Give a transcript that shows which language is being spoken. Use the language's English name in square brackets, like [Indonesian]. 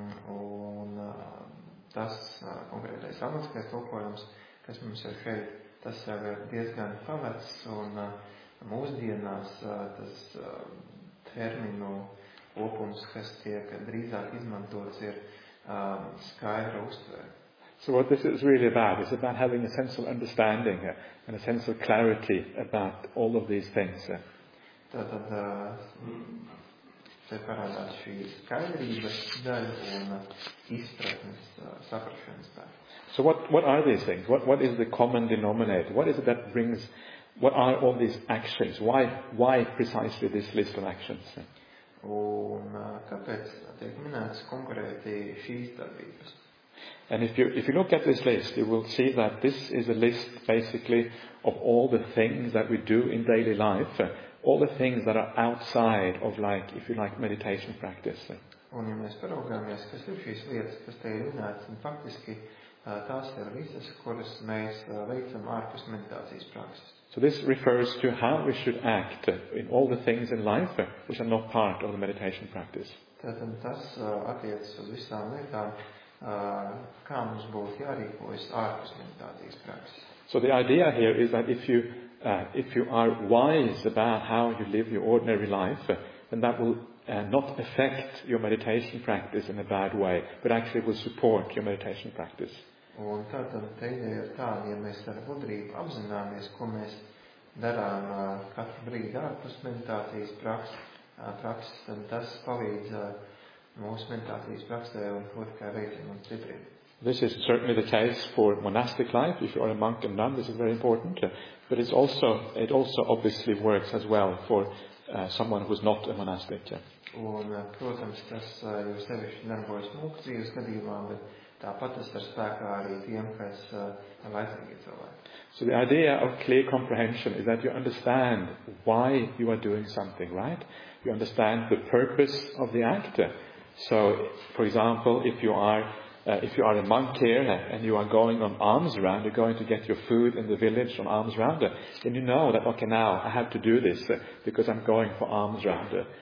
[Latvian] Konkrētais anglickais tulkojums, kas mums ir šeit, tas jau ir diezgan pavecs, un mūsdienās tas terminu kopums, kas tiek drīzāk izmantots, ir skaidra uztvere. [English] So what this is really about is about having a sense of understanding and a sense of clarity about all of these things. [Latvian] Tātad te parādās šī skaidrības daļa un izpratnes saprašanas daļa. [English] So what are these things? What is the common denominator? What is it that brings, what are all these actions? Why precisely this list of actions? [Latvian] Un kāpēc tiek minētas konkrēti šīs darbības? [English] And if you look at this list, you will see that this is a list basically of all the things that we do in daily life, all the things that are outside of, like, if you like, meditation practice. [Latvian] Un ja mēs paraugāmies, kas ir šīs lietas, kas te ir minētas, un faktiski tās ir visas, kuras mēs veicam ārpus meditācijas prakses. [English] So this refers to how we should act in all the things in life which are not part of the meditation practice. [Latvian] Tātad tas attiec uz visām lietām, kā mums būtu jārīkojas ārpus meditācijas prakses. [English] So the idea here is that if you are wise about how you live your ordinary life, then that will not affect your meditation practice in a bad way, but actually will support your meditation practice. [Latvian] Un tātad te ideja ir tāda, ja mēs ar gudrību apzināmies, ko mēs darām katru brīdi ārpus meditācijas prakses, tad tas palīdz mūsu meditācijas praksē un otrkārt veicam un stiprinam. [English] This is certainly the case for monastic life. If you are a monk and nun, this is very important. But it also obviously works as well for someone who is not a monastic. [Latvian] Un, protams, tas jau sevišķi darbojas mūku dzīves gadījumā, bet tāpat tas ir spēkā arī tiem, kas laicīgi cilvēki. [English] So the idea of clear comprehension is that you understand why you are doing something, right? You understand the purpose of the act. So, for example, if you are a monk here and you are going on alms round, you're going to get your food in the village on alms round, then you know that, okay, now I have to do this because I'm going for alms round.